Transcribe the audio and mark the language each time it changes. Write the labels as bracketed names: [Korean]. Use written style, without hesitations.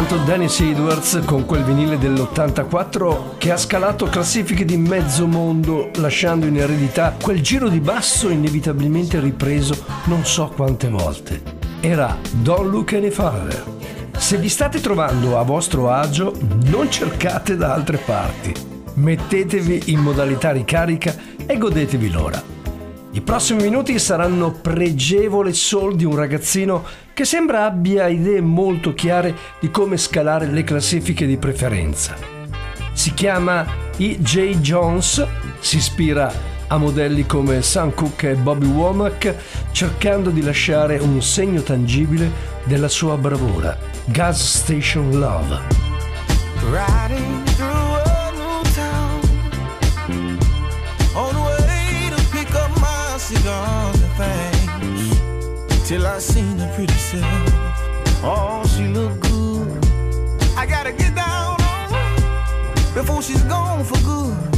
[Italian] Dennis Edwards con quel vinile dell'84 che ha scalato classifiche di mezzo mondo, lasciando in eredità quel giro di basso inevitabilmente ripreso non so quante volte. Era Don't Look Any Farther. Se vi state trovando a vostro agio, non cercate da altre parti. Mettetevi in modalità ricarica e godetevi l'ora. I prossimi minuti saranno pregevole soul di un ragazzino che sembra abbia idee molto chiare di come scalare le classifiche di preferenza. Si chiama E.J. Jones, si ispira a modelli come Sam Cooke e Bobby Womack, cercando di lasciare un segno tangibile della sua bravura. Gas Station Love. [English] Riding through a new town, on the way to pick up my cigars and things, till I seen a pretty self. Oh, she look good. I gotta get down on her before she's gone for good.